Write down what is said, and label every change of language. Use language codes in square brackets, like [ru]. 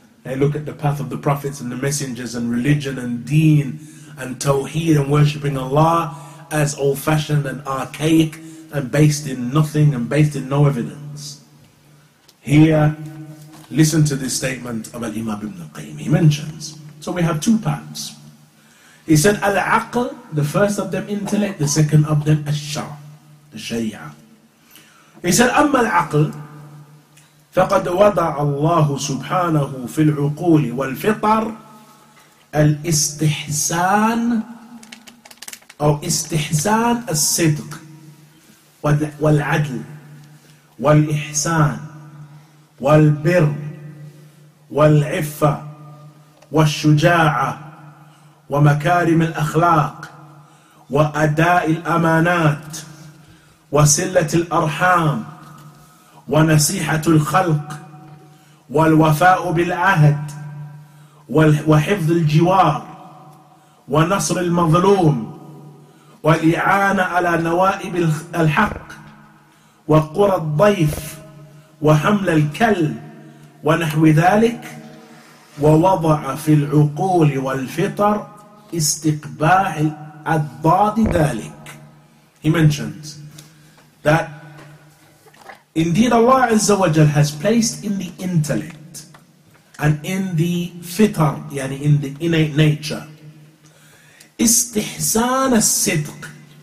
[en] They look at the path of the prophets and the messengers and religion and deen and tawheed and worshipping Allah as old-fashioned and archaic and based in nothing and based in no evidence. Here, listen to this statement of Al-Imam Ibn Al-Qayyim. He mentions, so we have two paths. He said, al-aql, the first of them intellect, the second of them ash-shar, the sharia. He said, [ar] amma al-aql, faqad wada'a Allah subhanahu fil 'uquli wal fitar al-istihsan aw istihsan as-sidq wal-'adl wal-ihsan wal-birr wal-'iffa wash-shuja'ah ومكارم الأخلاق وأداء الأمانات وسلة الأرحام ونصيحة الخلق والوفاء بالعهد وحفظ الجوار ونصر المظلوم والإعانة على نوائب الحق وقرى الضيف وحمل الكل ونحو ذلك ووضع في العقول والفطر استقباح الأضداد ذلك. [en] He mentions that indeed Allah Azza wa Jal has placed in the intellect and in the fitr, yani in the innate nature, [ar] استحسان الصدق.